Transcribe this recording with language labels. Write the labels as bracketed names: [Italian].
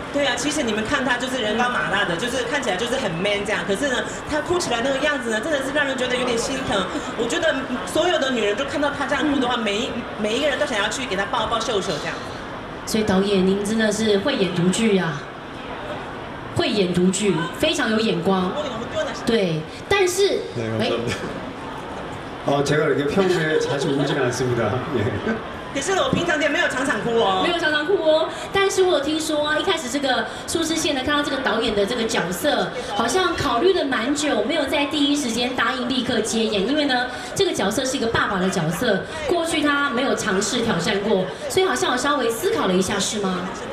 [Chinese] 对啊其实你们看他就是人高马大的就是看起来就是很 man 这样可是呢他哭起来那个样子呢真的是让人觉得有点心疼我觉得所有的女人就看到他这样哭的话每一个人都想要去给他抱抱秀秀这样所以导演您真的是慧眼独具啊慧眼独具非常有眼光对但是 [Korean] 네감사합니다 제가이렇게평소에자주울지않습니다 [Chinese] 可是我平常也没有常常哭哦没有常常哭哦但是我有听说啊一开始这个苏志燮呢看到这个导演的这个角色好像考虑了蛮久没有在第一时间答应立刻接演因为呢这个角色是一个爸爸的角色过去他没有尝试挑战过所以好像我稍微思考了一下是吗